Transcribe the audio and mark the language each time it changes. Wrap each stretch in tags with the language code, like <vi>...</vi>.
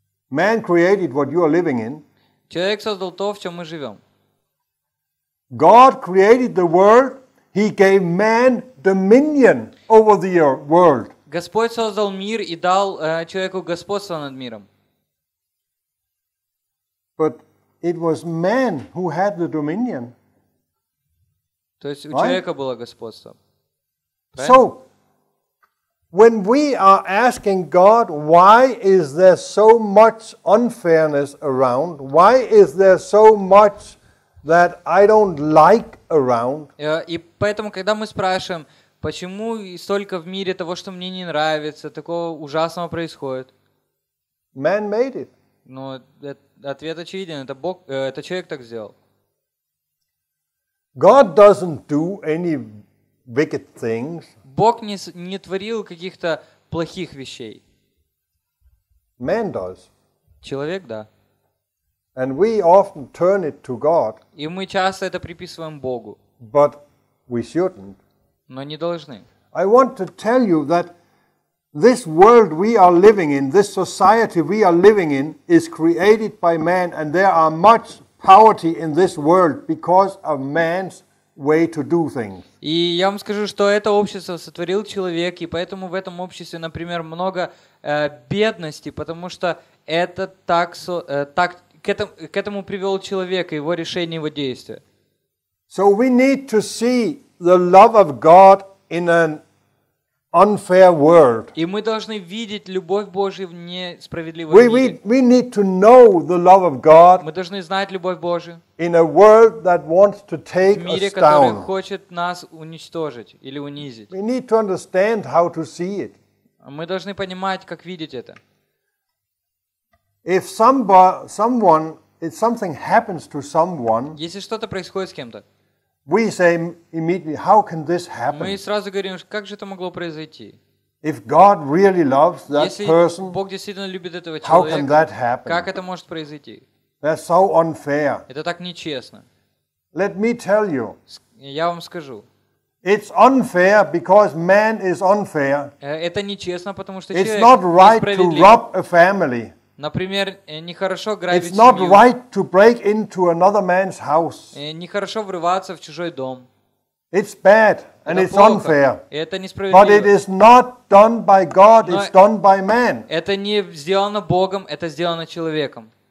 <en>Man created what you are living in.</en> <ru>Человек создал то, в чем мы живем.</ru> <en>God created the world. He gave man dominion over the world.</en> <ru>Господь создал мир и дал человеку господство над миром.</ru> <en>But it was man who had the dominion.</en> <ru>То есть у человека было господство.</ru> <en>So, When we are asking God, why is there so much unfairness around? Why is there so much that I don't like around?</en> <ru>И поэтому, когда мы спрашиваем, почему столько в мире того, что мне не нравится, такого ужасного происходит?</ru> <en>Man made it.</en> <ru>Но ответ очевиден, это Бог, это человек так сделал.</ru> <en>God doesn't do any wicked things.</en> <ru>Бог не творил каких-то плохих вещей.</ru> <en>Man does.</en> <ru>Человек, да.</ru> <en>And we often turn it to God.</en> <ru>И мы часто это приписываем Богу.</ru> <en>But we shouldn't.</en> <ru>Но не должны.</ru> <en>I want to tell you that this world we are living in, this society we are living in, is created by man, and there are much poverty in this world because of man's way to do things.</en> <ru>И я вам скажу, что это общество сотворил человек, и поэтому в этом обществе, например, много бедности, потому что это так к этому привел человек и его решение, его действия.</ru> <en>So we need to see the love of God in an unfair world.</en> <ru>И мы должны видеть любовь Божию в несправедливом мире.</ru> <en>We need to know the love of God.</en> <ru>Мы должны знать любовь Божию.</ru> <en>In a world that wants to take us</en> <ru>В мире, который хочет нас уничтожить или унизить.</ru> <en>We need to understand how to see it.</en> <ru>Мы должны понимать, как видеть это.</ru> <en>If someone, if something happens to someone.</en> <ru>Если что-то происходит с кем-то.</ru> <en>We say immediately, how can this happen?</en> <ru>Мы сразу говорим, как же это могло произойти?</ru> <en>If God really loves that person,</en> <ru>если Бог действительно любит этого человека,</ru> <en>how can that happen?</en> <ru>Как это может произойти?</ru> <en>That's so unfair.</en> <ru>Это так нечестно.</ru> <en>Let me tell you.</en> <ru>Я вам скажу.</ru> <en>It's unfair because man is unfair.</en> <ru>Это нечестно, потому что человек несправедлив.</ru> <en>It's not right to rob a family.</en> <ru>Например, нехорошо грабить семью.</ru> <en>It's not right to break into another man's house.</en> <ru>Нехорошо врываться в чужой дом.</ru> <en>It's bad and</en> <ru>это</ru> <en>it's</en> <ru>плохо,</ru> <en>unfair.</en> <ru>Это несправедливо.</ru> <en>But it is not done by God,</en> <ru>но</ru> <en>it's done by man.</en> <ru>Это не сделано Богом, это сделано человеком.</ru>